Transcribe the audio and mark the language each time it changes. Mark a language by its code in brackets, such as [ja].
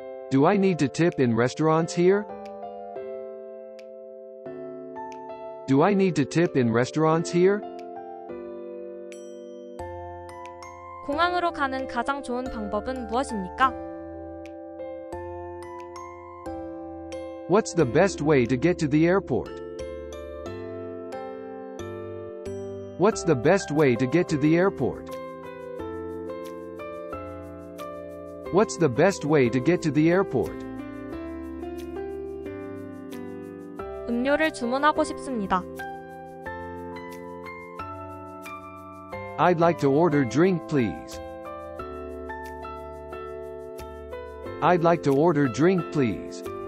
[en] Do I need to tip in restaurants here? Do I need to tip in restaurants here? [ko] 공항으로 가는 가장 좋은 방법은 무엇입니까? [en] What's the best way to get to the airport? What's the best way to get to the airport? What's the best way to get to the airport? [ko] 음료를 주문하고 싶습니다. [en] I'd like to order drink, please. I'd like to order drink, please.